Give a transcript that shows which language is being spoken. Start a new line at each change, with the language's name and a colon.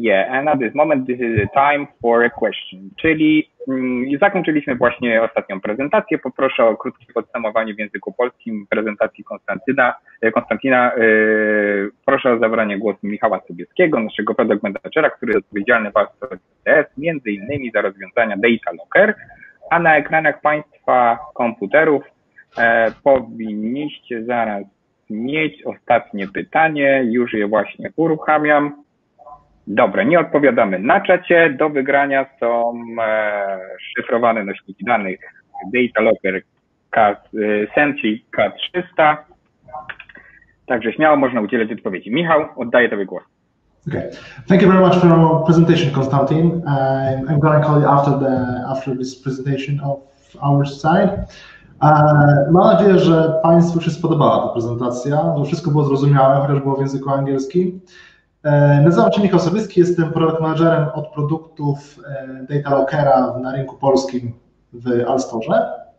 English: And at this moment, this is a time for a question.
Polish: Czyli zakończyliśmy właśnie ostatnią prezentację. Poproszę o krótkie podsumowanie w języku polskim prezentacji Konstantina. Proszę o zabranie głosu Michała Sobieskiego, naszego product managera, który jest odpowiedzialny w Alstor CTS, między innymi za rozwiązania Data Locker. A na ekranach Państwa komputerów powinniście zaraz mieć ostatnie pytanie. Już je właśnie uruchamiam. Dobra, nie odpowiadamy na czacie. Do wygrania są szyfrowane nośniki danych Data Locker Sentry K300. Także śmiało można udzielać odpowiedzi. Michał, oddaję Tobie głos.
English: Okay. Thank you very much for your presentation, Konstantin. I'm going to call you after this presentation of our side.
Polish: Mam nadzieję, że Państwu się spodobała ta prezentacja, że wszystko było zrozumiałe, chociaż było w języku angielskim. Nazywam się Michał Sobieski, jestem product managerem od produktów Data Lockera na rynku polskim w Alstorze.